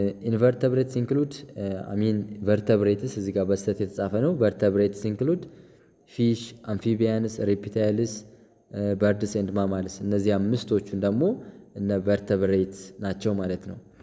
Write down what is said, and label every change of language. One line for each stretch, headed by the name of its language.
English: Invertebrates include vertebrates
Amharic: እዚህ ጋር በስተት የተጻፈ ነው.
English: Vertebrates include fish, amphibians, reptiles, birds and mammals.
Amharic: እነዚህ አምስቶቹን ደግሞ እነ vertebrates ናቸው ማለት ነው.